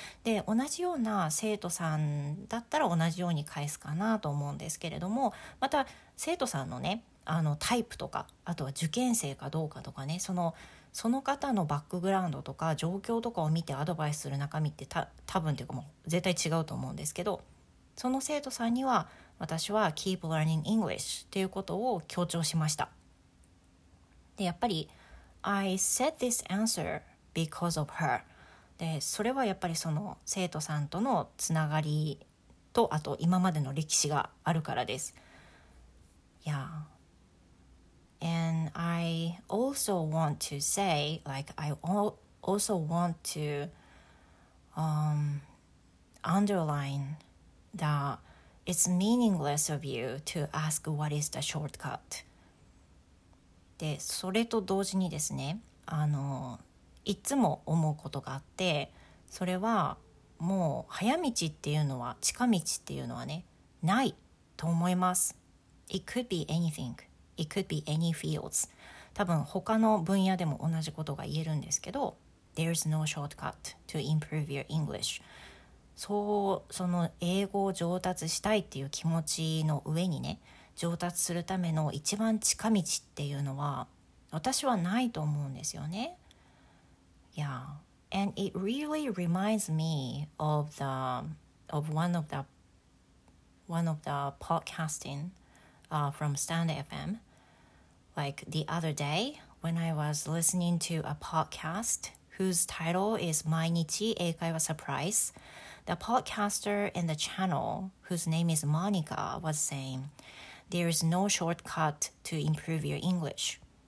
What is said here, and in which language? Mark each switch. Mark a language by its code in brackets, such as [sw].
[ja] で、同じような生徒さんだったら同じように返すかなと思うんですけれども、また生徒さんのね、タイプとか、あとは受験生かどうかとかね、その方のバックグラウンドとか状況とかを見てアドバイスする中身って多分というかもう絶対違うと思うんですけど、その生徒さんには私は [en] Keep Learning English [ja] っていうことを強調しました。で、やっぱり [en] I said this answer because of her。 [ja] で、それはやっぱりその生徒さんとのつながりと、あと今までの歴史があるからです。 [en] Yeah. And I also want to say, like, I also want to underline that it's meaningless of you to ask what is the shortcut。 [ja] で、それと同時にですね、いつも思うことがあって、それはもう早道っていうのは、近道っていうのはね、ないと思います。 [en] It could be anything. It could be any fields. [ja] 多分他の分野でも同じことが言えるんですけど、 [en] There's no shortcut to improve your English. [ja] そう、その英語を上達したいっていう気持ちの上にね、上達するための一番近道っていうのは私はないと思うんですよね。 [en] Yeah. And it really reminds me of the one of the podcasting from Stand FM. Like the other day when I was listening to a podcast whose title is 毎日英会話 Surprise, the podcaster in the channel whose name is Monica was sayingThere is no shortcut to improve your English.